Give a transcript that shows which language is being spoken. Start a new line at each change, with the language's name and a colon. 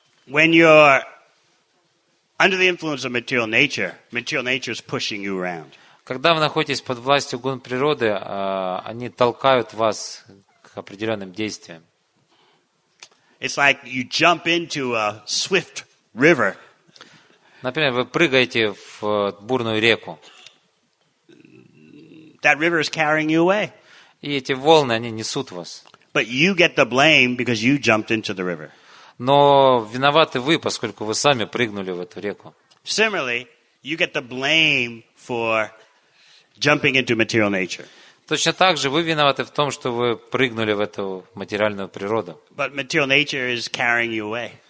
English: When you're under the influence of material nature is pushing you around.
Russian: Когда вы находитесь под властью гун природы, они толкают вас к определенным действиям.
English: It's like you jump into a swift river.
Russian: Например, вы прыгаете в бурную реку.
English: That river is carrying you away.
Russian: И эти волны, они несут вас.
English: But you get the blame because you jumped into the river.
Russian: Но виноваты вы, поскольку вы сами прыгнули в эту реку.
English: Similarly, you get the blame for jumping into material nature.
Russian: Точно так же вы виноваты в том, что вы прыгнули в эту материальную природу.
English: But material nature is carrying you away.